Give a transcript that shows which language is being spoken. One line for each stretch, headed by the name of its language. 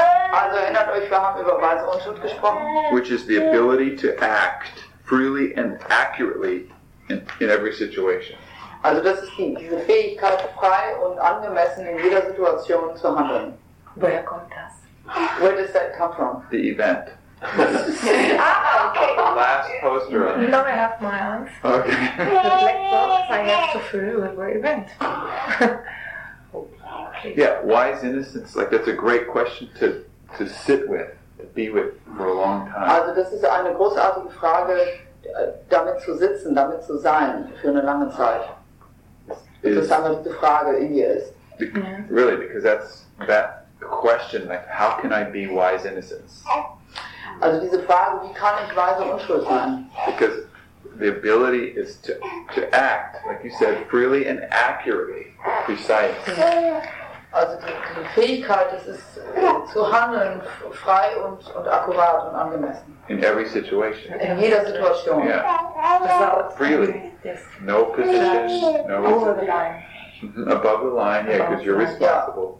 German: Also erinnert euch, wir haben über weise Unschuld gesprochen.
English: Which is the ability to act freely and accurately in every situation.
German: Also das ist diese Fähigkeit, frei und angemessen in jeder Situation zu handeln. Woher kommt das?
English: Where does that come from? The event. Now I have my hands. Okay. The black box I have to fill with my event. Okay. Yeah, wise innocence, like that's a great question to sit with, to be with for a long time.
German: Also das ist eine großartige Frage, damit zu sitzen, damit zu sein für eine lange Zeit. Das ist eine Frage in dir ist.
English: Really, because that's that question, like how can I be wise innocence?
German: Also diese Frage, wie kann ich weise Unschuld sein?
English: Because the ability is to act, like you said, freely and accurately, precise.
German: Also die Fähigkeit, das ist zu handeln, frei und akkurat und angemessen.
English: In every situation.
German: In jeder Situation.
English: Yeah. Freely. Yes. No positions. No over the line. Above the line, yeah, because you're responsible.